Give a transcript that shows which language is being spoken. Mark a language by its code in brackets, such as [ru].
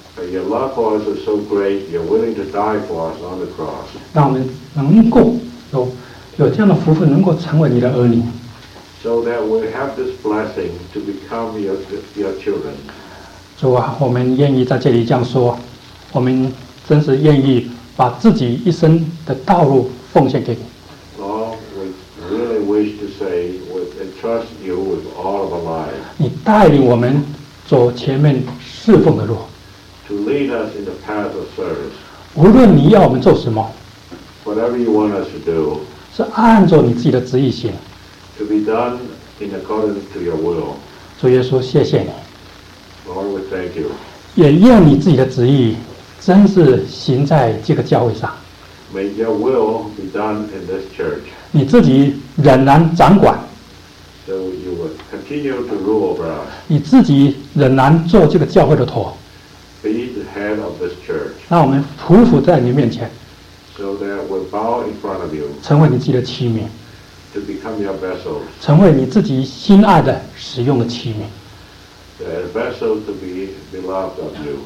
[en] Your love for us is so great, you're willing to die for us on the cross. [zh] 让我们能够有这样的福分，能够成为你的儿女。 [en] So that we have this blessing to become your children. [zh] 主啊，我们愿意在这里这样说，我们真是愿意把自己一生的道路。奉献给你。 [en] Lord, we really wish to say we entrust you with all of our lives. [zh] 你带领我们走前面侍奉的路。 [en] To lead us in the path of service. [zh] 无论你要我们做什么。 [en] Whatever you want us to do. [zh] 是按照你自己的旨意行。 [en] To be done in accordance to your will. [zh] 主耶稣，谢谢你。 [en] Lord, we thank you. [zh] 也愿你自己的旨意真是行在这个教会上。 [en] May your will be done in this church. [zh] 你自己仍然掌管。 [en] So you will continue to rule over us. [zh] 你自己仍然做这个教会的头。 [en] Be the head of this church. [zh] 让我们匍匐在你面前。 [en] So that we bow in front of you. [zh] 成为你自己的器皿。 [en] To become your vessels. [zh] 成为你自己心爱的使用的器皿。 [en] vessel to be beloved of you.